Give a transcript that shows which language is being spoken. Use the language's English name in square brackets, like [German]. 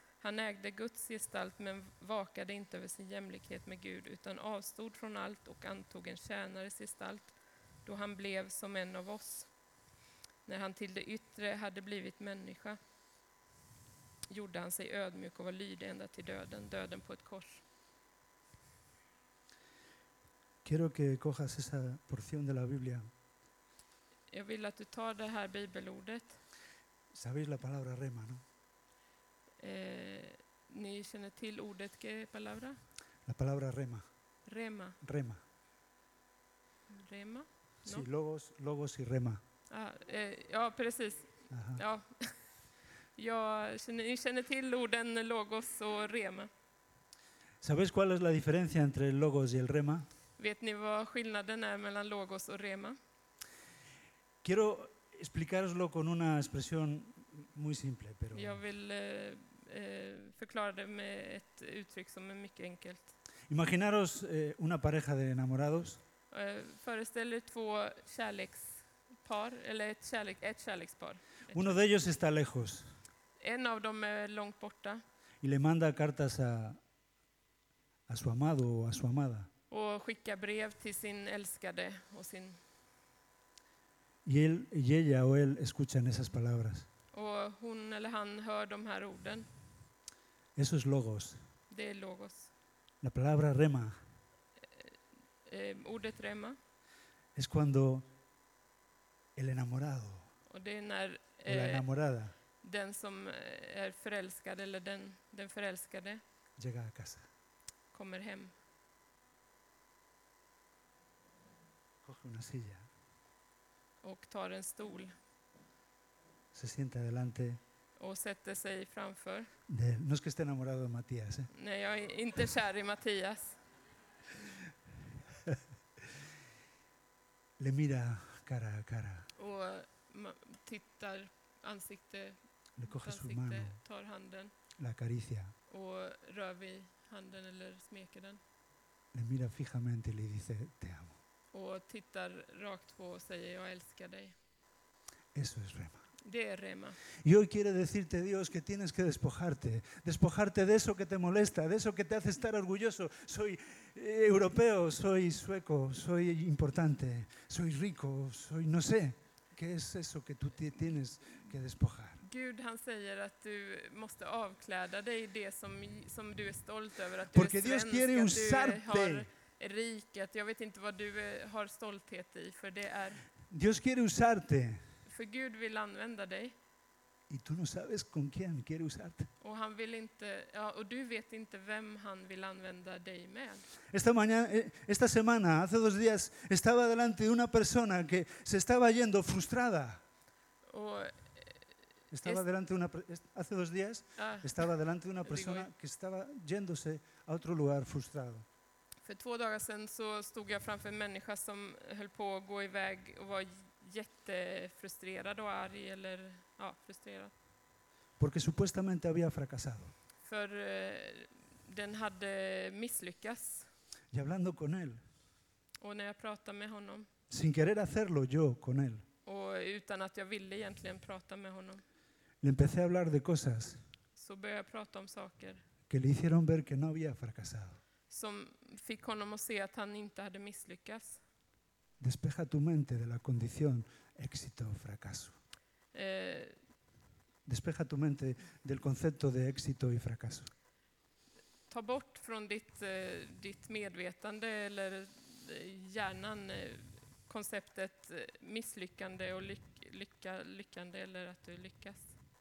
[Swedish] Han ägde Guds gestalt men vakade inte över sin jämlikhet med Gud utan avstod från allt och antog en tjänares gestalt då han blev som en av oss. När han till det yttre hade blivit människa gjorde han sig ödmjuk och var lydig ända till döden, döden på ett kors. [Spanish] Quiero que cojas esa porción de la Biblia. [Swedish] Jag vill att du tar det här bibelordet. [Spanish] Sabéis la palabra rema, ¿no? [Swedish] Ni känner till ordet [Spanish] qué palabra? La palabra rema. Rema. Rema. Rema? No. Sí, logos, logos y rema. [Swedish] Ja, precis. Aha. Ja. Ni känner till orden logos och rema. [Spanish] ¿Sabéis cuál es la diferencia entre el logos y el rema? [Swedish] Vet ni vad skillnaden är mellan logos och rema? [Spanish] Quiero explicaroslo con una expresión muy simple, pero [Swedish] jag vill förklara det med ett uttryck som är mycket enkelt. [Spanish] Imaginaros una pareja de enamorados. [Swedish] Föreställ er två kärlekspar eller ett kärlekspar. [Spanish] Uno de ellos está lejos. [Swedish] En av dem är långt borta. [Spanish] Y le manda cartas a su amado o a su amada. [Swedish] Och skicka brev till sin älskade och sin. [Spanish] Y ella o él escuchan esas palabras. [Swedish] Och hon eller han hör de här orden. [Spanish] Eso es logos. [Swedish] Det är logos. [Spanish] La palabra rema. [Swedish] Ordet rema. [Spanish] Es cuando el enamorado. [Swedish] Och det är när [Spanish] la enamorada. [Swedish] Den som är förälskad eller den förälskade. [Spanish] Llega a casa. [Swedish] Kommer hem. [Spanish] Coge una silla. [Swedish] Och tar en stol. [Spanish] Se sienta delante. [Swedish] Och sätter sig framför. [Spanish] De, no es que esté enamorado de Matías, eh? [Swedish] Nej, jag är inte kär i Mattias. [Spanish] Le mira cara a cara. [Swedish] Och tittar ansikte. [Spanish] Le coge su mano. [Swedish] Tar handen. [Spanish] La acaricia. [Swedish] Och rör vid handen eller smeker den. [Spanish] Le mira fijamente y le dice te amo. [Swedish] Och tittar rakt på och säger jag älskar dig. [Spanish] Eso es rema. [Swedish] Det är rema. [Spanish] Y hoy quiere decirte Dios que tienes que despojarte, despojarte de eso que te molesta, de eso que te hace estar orgulloso. Soy europeo, soy sueco, soy importante, soy rico, soy no sé. ¿Qué es eso que tú tienes que despojar? [Swedish] Gud, han säger att du måste avkläda dig det som du är stolt över att du [Spanish] porque [Swedish] är svensk, [Spanish] Dios quiere usarte. [Swedish] Riket, jag vet inte vad du har stolthet i, för det är [Spanish] Dios quiere usarte. [Swedish] För Gud vill använda dig. [Spanish] Y tú no sabes con quién quiere usarte. [Swedish] Och han vill inte, ja, och du vet inte vem han vill använda dig med. [Spanish] Esta mañana, esta semana, hace dos días, estaba delante de una persona que se estaba yendo frustrada. [Swedish] Och [Spanish] estaba delante de una hace dos días, estaba delante de una persona que estaba yéndose a otro lugar frustrado. [Swedish] För två dagar sedan så stod jag framför en människa som höll på att gå iväg och var jättefrustrerad och arg eller ja, frustrerad. [Spanish] Porque supuestamente había fracasado. [Swedish] För den hade misslyckats. [Spanish] Y hablando con él. [Swedish] Och när jag pratade med honom. [Spanish] Sin querer hacerlo yo con él. [Swedish] Och utan att jag ville egentligen prata med honom. [Spanish] Le empecé a hablar de cosas. [Swedish] Så började jag prata om saker. [Spanish] Que le hicieron ver que no había fracasado. [Swedish] Som fick honom att se att han inte hade misslyckats. [Spanish] Despeja tu mente de la condición éxito fracaso. Despeja tu mente del concepto de éxito y fracaso. [Swedish] Ta bort från ditt medvetande eller hjärnan konceptet misslyckande och lyckande eller att du lyckas.